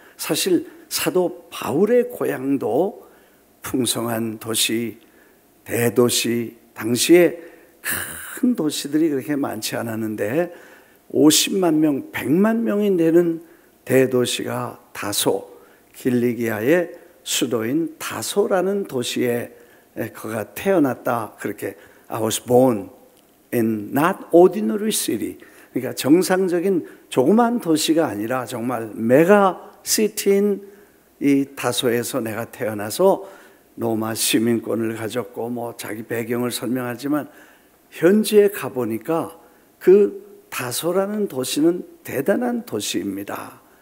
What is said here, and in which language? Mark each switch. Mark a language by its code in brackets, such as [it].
[ko] 사실 사도 바울의 고향도 풍성한 도시, 대도시, 당시에 큰 도시들이 그렇게 많지 않았는데 50만 명, 100만 명이 되는 대도시가 다소, 길리기아의 수도인 다소라는 도시에 그가 태어났다. 그렇게 [en] I was born in not ordinary city. [ko] 그러니까 정상적인 조그만 도시가 아니라 정말 메가 시티인 이 다소에서 내가 태어나서 로마 시민권을 가졌고 뭐 자기 배경을 설명하지만 현지에 가보니까 그 다소라는 도시는 대단한 도시입니다.